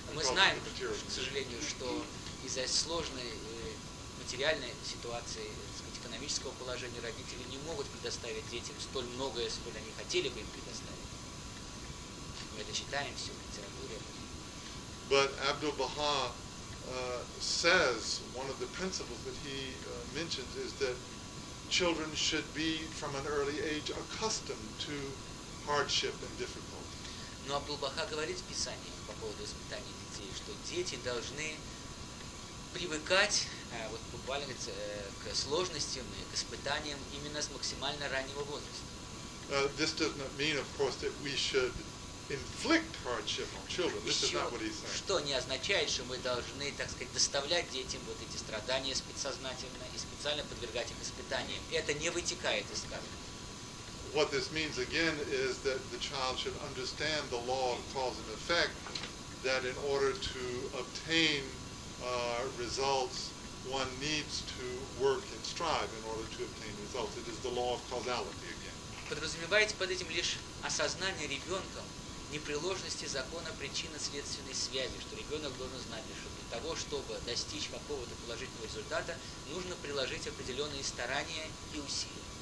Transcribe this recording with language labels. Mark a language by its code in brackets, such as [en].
[en] We know, [ru] экономического положения родители не могут предоставить детям столь многое, сколько они хотели бы им предоставить. Мы это читаем все в литературе. [en] But Abdu'l-Bahá says one of the principles that he mentions is that children should be from an early age accustomed to hardship and difficulty. [ru] Но Абдул-Баха говорит в Писании по поводу испытаний детей, что дети должны привыкать вот буквально к сложностям и к испытаниям именно с максимально раннего возраста. [en] This does not mean, of course, that we should inflict hardship on children. This is not what he's saying. [ru] Что не означает, что мы должны, так сказать, доставлять детям вот эти страдания подсознательно и специально подвергать их испытаниям. Это не вытекает из сказки. [en] What this means again is that the child should understand the law of cause and effect, that in order to obtain results, one needs to work and strive in order to obtain results. It is the law of causality again. [ru] Подразумевается под этим лишь осознание ребенком непреложности закона причинно-следственной связи, что ребенок должен знать, что для того, чтобы достичь какого-то положительного результата, нужно приложить определенные старания и усилия.